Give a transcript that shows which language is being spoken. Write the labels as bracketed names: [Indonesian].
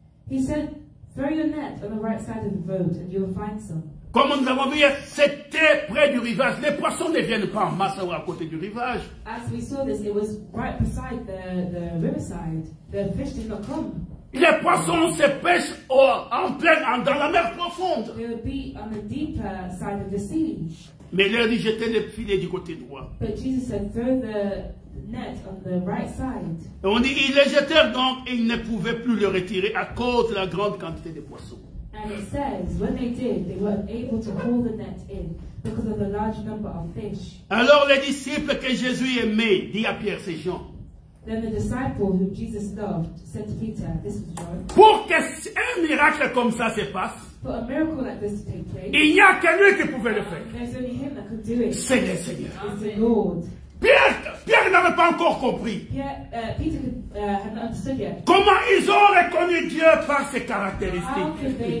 [English] He said, throw your net on the right side of the boat and you'll find some. [French] Comme nous avons vu, c'était près du rivage. Les poissons ne viennent pas en masse à côté du rivage. [English] As we saw this, it was right beside the riverside. The fish did not come. [French] Les poissons se pêchent dans la mer profonde. [English] They would be on the deeper side of the sea. [French] Mais il leur dit, jetez le filet du côté droit. [English] But Jesus said, throw the net on the right side. [French] Et on dit, ils les jetèrent donc, et ils ne pouvaient plus le retirer à cause de la grande quantité de poissons. [English] And it says, when they did, they were able to haul the net in because of the large number of fish. [French] Alors les disciples que Jésus aimait, dit à Pierre, c'est Jean. [English] Then the disciple whom Jesus loved said to Peter, this is John. [French] Pour qu'un miracle comme ça se passe, [English] for a miracle like this to take place, [French] il n'y a que lui qui pouvait le faire. [English] There's only him that could do it. [French] C'est le Seigneur. [English] It's the Lord. [French] Pierre n'avait pas encore compris. [English] Peter had not understood yet. [French] Comment ils ont reconnu Dieu par ses caractéristiques?